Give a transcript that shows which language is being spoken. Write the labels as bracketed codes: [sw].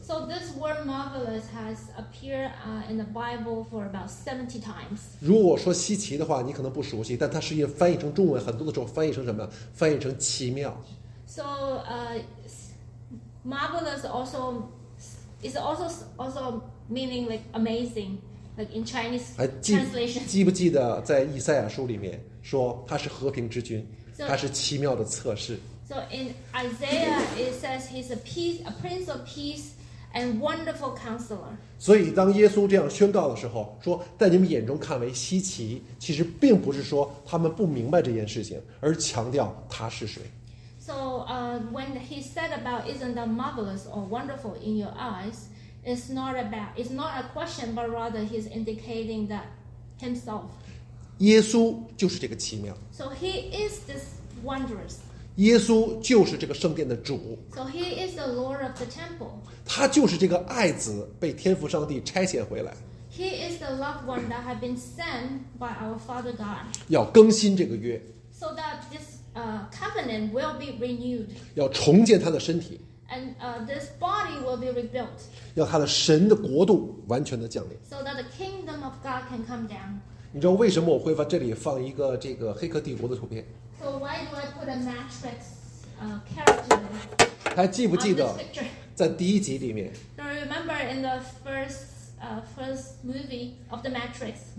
[en] So this word marvelous has appeared in the Bible for about 70 times. [zh] 如果说稀奇的话，你可能不熟悉，但它实际翻译成中文，很多的时候翻译成什么？翻译成奇妙。 [en] So marvelous also. It's also meaning like amazing, like in Chinese translation. [zh] 记不记得在以赛亚书里面说他是和平之君，他是奇妙的测试。 [en] So in Isaiah it says he's a prince of peace and wonderful counselor. [zh] 所以当耶稣这样宣告的时候，说在你们眼中看为稀奇，其实并不是说他们不明白这件事情，而强调他是谁。 [en] So when he said about isn't that marvelous or wonderful in your eyes, it's not a question, but rather he's indicating that himself. [zh] 耶稣就是这个奇妙。 [en] So he is this wondrous. [zh] 耶稣就是这个圣殿的主。 [en] So he is the Lord of the temple. [zh] 他就是这个爱子被天父上帝差遣回来。 [en] He is the loved one that has been sent by our Father God. [zh] 要更新这个约。 [en] So that this. Covenant will be renewed. [zh] 要重建他的身体。 [en] And this body will be rebuilt. [zh] 要他的神的国度完全的降临。 [en] So that the kingdom of God can come down. [zh] 你知道为什么我会把这里放一个这个黑客帝国的图片？ [en] So why do I put a Matrix character? [zh] 还记不记得在第一集里面 [en] ？Do you remember in the first movie of the Matrix.